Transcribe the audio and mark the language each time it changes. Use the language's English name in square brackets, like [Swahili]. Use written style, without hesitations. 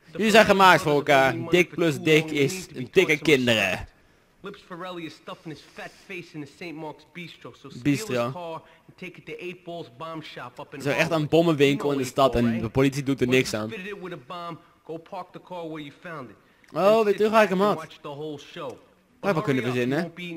[Dutch] Jullie zijn gemaakt voor elkaar. Dik plus dik is een dikke kinderen. [English] Lips Farelli is stuffing his fat face in the St. Mark's Bistro. So steal his car and take it to 8 Balls Bomb Shop up in. [Dutch] Ze is echt een bommenwinkel in de stad en de politie doet er niks aan. [English] Go park the car where you found it. [Dutch] Oh, weer terug waar ik hem had. Dat had ik wel kunnen verzinnen.